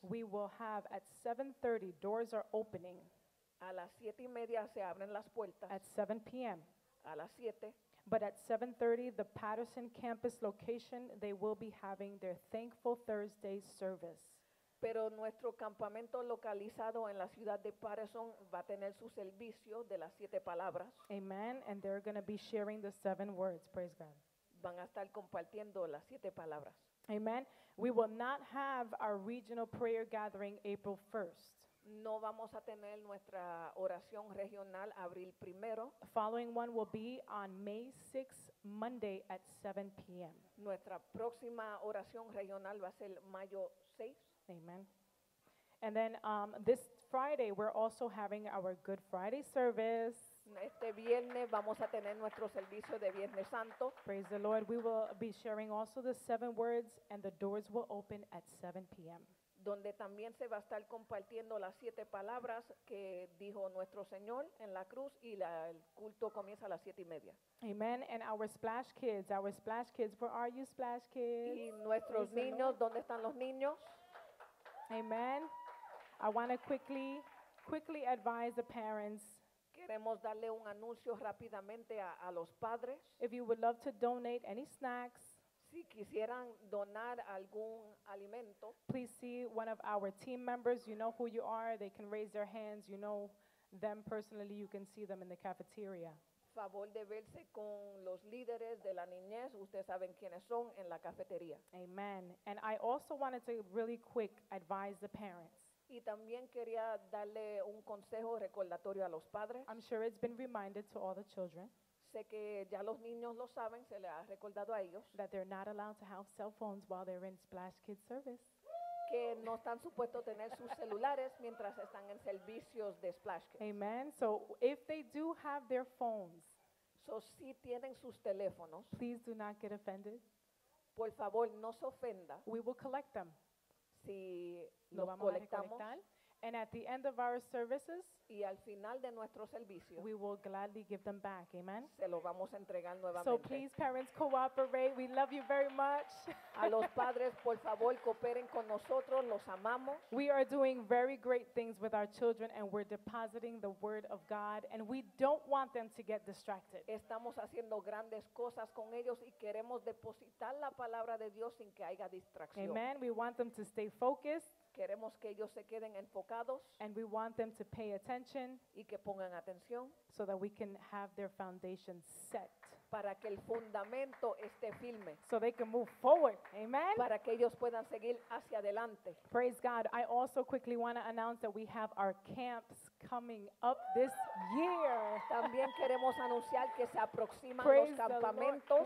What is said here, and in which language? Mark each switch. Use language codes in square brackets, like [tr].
[en] we will have at 7:30, doors are opening. [es] A las 7 y media se abren las puertas. [en] At 7 p.m. [es] A las 7. [en] But at 7:30, the Patterson campus location, they will be having their Thankful Thursday service. [es] Pero nuestro campamento localizado en la ciudad de Patterson va a tener su servicio de las siete palabras. [en] Amen. And they're going to be sharing the seven words. Praise God. [es] Van a estar compartiendo las siete palabras. [en] Amen. We will not have our regional prayer gathering April 1st. [es] No vamos a tener nuestra oración regional abril primero. [en] The following one will be on May 6th, Monday at 7 p.m. [es] Nuestra próxima oración regional va a ser mayo 6. [en] Amen. And then this Friday, we're also having our Good Friday service. [es] Este viernes vamos a tener nuestro servicio de Viernes Santo. [en] Praise the Lord. We will be sharing also the seven words, and the doors will open at 7 p.m. [es] Donde también se va a estar compartiendo las siete palabras que dijo nuestro Señor en la cruz, y el culto comienza a las 7:30. [en] Amen. And our Splash Kids, where are you, Splash Kids? [es] Y nuestros niños, ¿dónde están los niños? [en] Amen. I want to quickly advise the parents. [es] Queremos darle un anuncio rápidamente a los padres. [en] If you would love to donate any snacks, [es] si quisieran donar algún alimento. [en] Please see one of our team members. You know who you are. They can raise their hands. You know them personally. You can see them in the cafeteria. [es] Favor de verse con los líderes de la niñez. Ustedes saben quiénes son en la cafetería. [en] Amen. And I also wanted to really quick advise the parents. [es] Y también quería darle un consejo recordatorio a los padres. [en] I'm sure it's been reminded to all the children. [es] Sé que ya los niños lo saben, se les ha recordado a ellos. [en] That they're not allowed to have cell phones while they're in Splash Kids service. [es] Que no están supuestos tener sus celulares mientras están en servicios de Splash Kids. [en] Amen. So if they do have their phones. [es] So si tienen sus teléfonos. [en] Please do not get offended. [es] Por favor, no se ofenda. [en] We will collect them. [es] Si lo vamos colectamos. A recolectar. [en] And at the end of our services, [es] y al final de nuestro servicio, [en] we will gladly give them back. Amen. [es] Se lo vamos a entregar nuevamente. [en] So please, parents, cooperate. We love you very much. [es] A los padres, por favor, cooperen con nosotros. Los amamos. [en] We are doing very great things with our children, and we're depositing the word of God, and we don't want them to get distracted. [es] Estamos haciendo grandes cosas con ellos y queremos depositar la palabra de Dios sin que haya distracción. [en] Amen. We want them to stay focused. [es] Queremos que ellos se queden enfocados. [en] And we want them to pay attention. [es] Y que pongan atención. [en] So that we can have their foundation set. [es] Para que el fundamento esté firme. [en] So they can move forward. Amen. [es] Para que ellos puedan seguir hacia adelante. [en] Praise God. I also quickly want to announce that we have our camps coming up this year. [es] También queremos anunciar que se aproximan los campamentos.